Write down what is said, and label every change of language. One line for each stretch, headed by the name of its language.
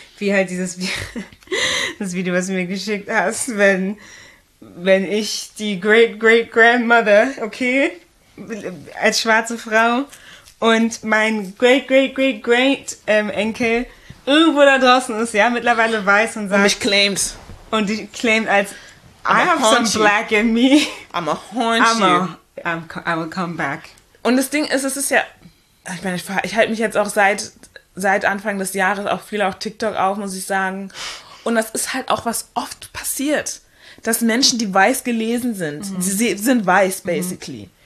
German: Wie halt dieses das Video, was du mir geschickt hast, wenn ich die Great-Great-Grandmother, okay, als schwarze Frau und mein Great-Great-Great-Great-Enkel irgendwo da draußen ist, ja, mittlerweile weiß und sagt... Und mich claimed. Und ich claimed als,
English: I have some black in me. I'm a haunt you. I will come back.
German: Und das Ding ist, es ist ja... Ich meine, ich halte mich jetzt auch seit Anfang des Jahres auch viel auf TikTok auf, muss ich sagen. Und das ist halt auch, was oft passiert, dass Menschen, die weiß gelesen sind, sie sind weiß, basically. Mhm.